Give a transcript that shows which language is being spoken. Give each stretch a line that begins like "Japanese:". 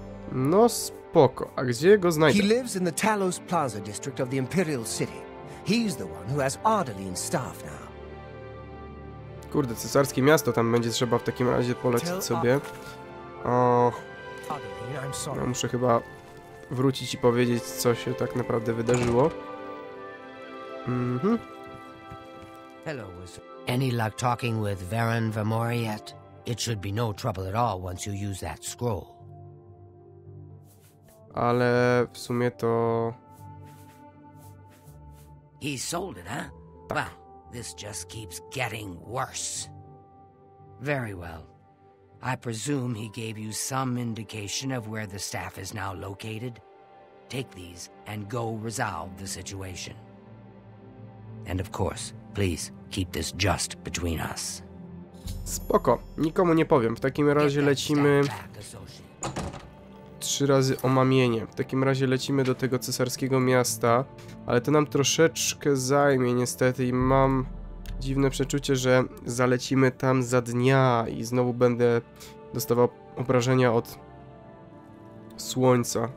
Polish: No spoko, a gdzie go znajdę?
English: He lives in the Talos Plaza district of the Imperial City. He's the one who has Ardaline's staff now.
Polish: Kurde, cesarskie miasto, tam będzie trzeba w takim razie polecić sobie. Och, ja muszę chyba wrócić i powiedzieć, co się tak naprawdę wydarzyło.
English: Hello, wizard. Any luck talking with Varen Vamor yet? It should be no trouble at all once you use that scroll.
Polish: Ale w sumie to...
English: He sold it, huh?
Polish: Tak.
English: Well, this just keeps getting worse. Very well. I presume he gave you some indication of where the staff is now located. Take these and go resolve the situation. And of course, please keep this just between us.
Polish: Spoko, nikomu nie powiem. W takim razie lecimy. Trzy razy omamienie. W takim razie lecimy do tego cesarskiego miasta, ale to nam troszeczkę zajmie niestety i mam dziwne przeczucie, że zalecimy tam za dnia i znowu będę dostawał obrażenia od słońca.